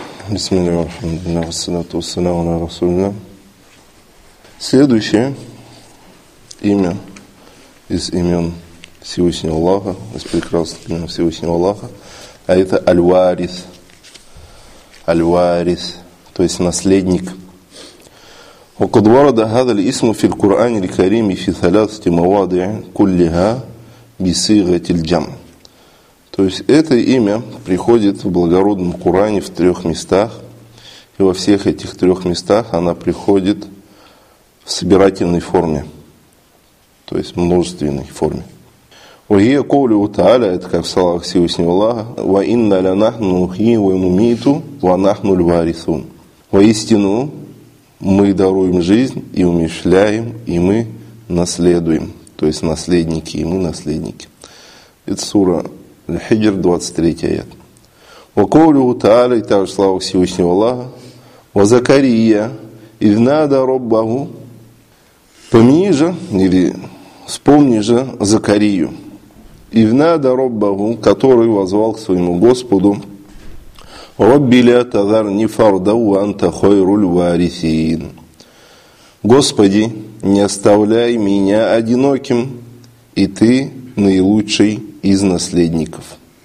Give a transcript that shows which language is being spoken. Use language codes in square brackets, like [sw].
[ar] بسم الله الرحمن الرحيم والصلاة والسلام على رسول الله. [ru] Следующее имя из имен Всевышнего Аллаха, из прекрасных имен Всевышнего Аллаха, а это Аль-Варис. Аль-Варис, то есть наследник. [ar] وقد ورد هذا الاسم في القرآن الكريم في ثلاثة مواضع كلها بصيغة الجمع. [ru] То есть это имя приходит в благородном Коране в трех местах, и во всех этих трех местах она приходит в собирательной форме, то есть в множественной форме. [ar] وَهِيَ قَوْلُهُ تَعَالَى, [ru] это как в словах Всевышнего Аллаха, [ar] وَإِنَّا لَنَحْنُ نُحْيِي وَنُمِيتُ وَنَحْنُ الْوَارِثُونَ. [ru] Воистину мы даруем жизнь и умерщвляем, и мы наследуем, то есть наследники, и мы наследники. Это сура Аль-Хиджр, 23 аят. [ar] وَقَوْلُهُ تَعَالَى, [ru] и также слава Всевышнего Аллаха, [ar] وَزَكَرِيَّا إِذْ نَادَى رَبَّهُ. [ru] Помни же, или вспомни же Закарию. [ar] Ивнада Роббаху, [ru] который возвал к своему Господу. [ar] Робби ля тазар ни фардау анта хойруль варисин. [ru] Господи, не оставляй меня одиноким, и ты наилучший из наследников.